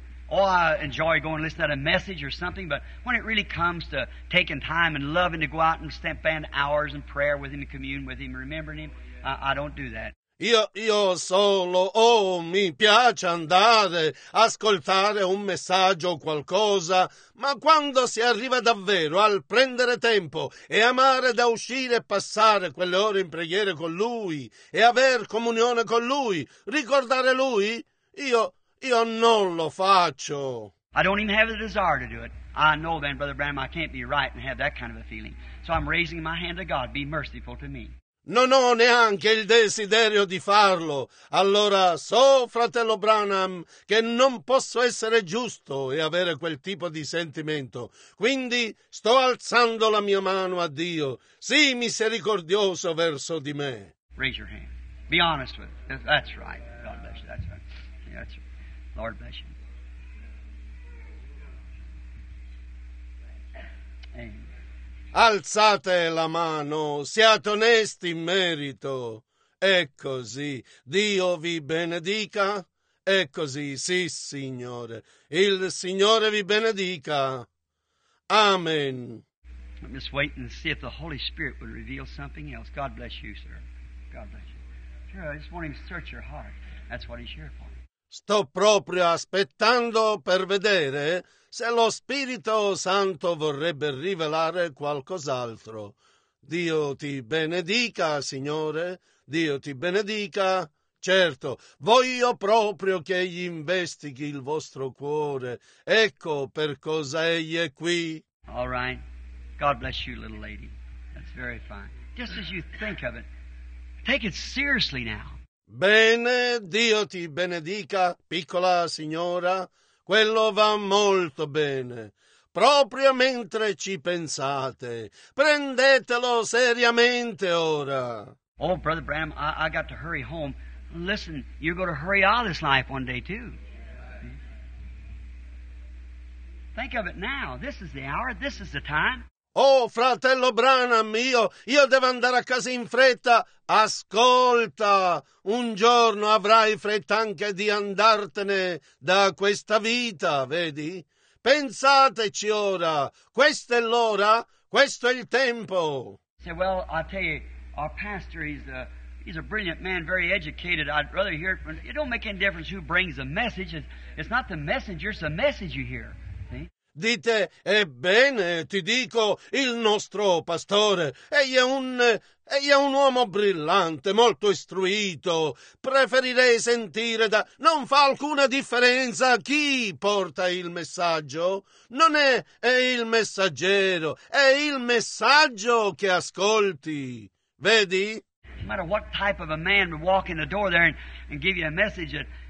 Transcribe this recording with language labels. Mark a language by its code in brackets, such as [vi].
[en] I enjoy going to listen to a message or something, but when it really comes to taking time and loving to go out and spend hours in prayer with him, commune with him, remembering him, I don't do that. [it] Io solo, mi piace andare, ascoltare un messaggio o qualcosa, ma quando si arriva davvero al prendere tempo e amare da uscire e passare quelle ore in preghiera con lui e aver comunione con lui, ricordare lui, io non lo faccio. [en] I don't even have the desire to do it. I know then, Brother Branham, I can't be right and have that kind of a feeling. So I'm raising my hand to God. Be merciful to me. [it] Non ho neanche il desiderio di farlo. Allora so, fratello Branham, che non posso essere giusto e avere quel tipo di sentimento. Quindi sto alzando la mia mano a Dio. Sii misericordioso verso di me. [en] Raise your hand. Be honest with it. That's right. God bless you. That's right. That's right. Lord bless you. Amen. [it] Alzate la mano, siate onesti in merito. È così. Dio vi benedica. È così, sì, Signore. Il Signore vi benedica. Amen. [en] I'm just waiting to see if the Holy Spirit would reveal something else. God bless you, sir. God bless you. Sure, I just want him to search your heart. That's what he's here for. [it] Sto proprio aspettando per vedere se lo Spirito Santo vorrebbe rivelare qualcos'altro. Dio ti benedica, Signore. Dio ti benedica. Certo, voglio proprio che egli investighi il vostro cuore. Ecco per cosa egli è qui. [en] All right. God bless you, little lady. That's very fine. Just as you think of it, take it seriously now. [it] Bene, Dio ti benedica, piccola signora, quello va molto bene. Proprio mentre ci pensate, prendetelo seriamente ora. [en] Oh, Brother Branham, I got to hurry home. Listen, you're going to hurry all this life one day too. Think of it now. This is the hour. This is the time. [it] Oh, fratello Branham, io devo andare a casa in fretta. Ascolta, un giorno avrai fretta anche di andartene da questa vita, vedi? Pensateci ora, questa è l'ora, questo è il tempo. [en] Say, well, I'll tell you, our pastor, he's a brilliant man, very educated. I'd rather hear it from, it don't make any difference who brings the message. It's not the messenger, it's the message you hear. [it] Dite, ebbene, ti dico, il nostro pastore, egli è un uomo brillante, molto istruito, preferirei sentire da... Non fa alcuna differenza chi porta il messaggio, non è il messaggero, è il messaggio che ascolti, vedi? [en] No matter what type of a man would walk in the door there and give you a message that...